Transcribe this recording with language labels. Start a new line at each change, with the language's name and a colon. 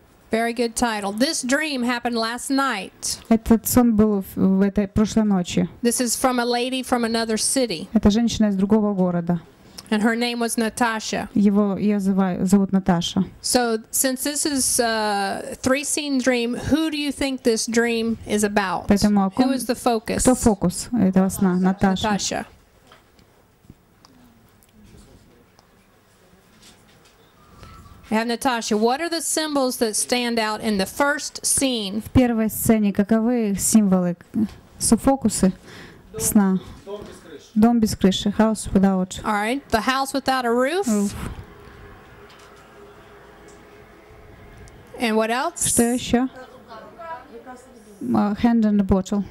English: Very good title. This dream happened last night.
Russian: Этот сон был в этой прошлой ночи.
English: This is from a lady from another city.
Russian: Это женщина из другого города.
English: And her name was Natasha.
Russian: Её зовут Наташа.
English: So, since this is a three-scene dream, who do you think this dream is about?
Russian: Поэтому,
English: who is the focus?
Russian: Кто фокус этого сна? Наташа. Наташа.
English: We have Natasha. What are the symbols that stand out in the first scene?
Russian: В первой сцене каковы символы, суфокусы сна? Дом без крыши.
English: House without. All right. The house without a roof. Roof. And what else?
Russian: Что еще?
English: Hand and the bottle.